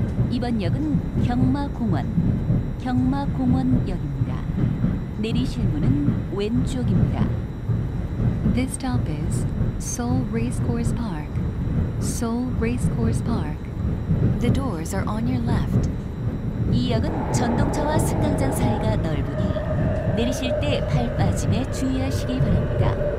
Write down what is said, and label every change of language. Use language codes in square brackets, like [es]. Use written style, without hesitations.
[ko] 이번 역은 경마공원, 경마공원역입니다. 내리실 문은 왼쪽입니다. [en] This stop is Seoul Racecourse Park. Seoul Racecourse Park. The doors are on your left. [ko] 이 역은 전동차와 승강장 사이가 넓으니 내리실 때 발 빠짐에 주의하시기 바랍니다.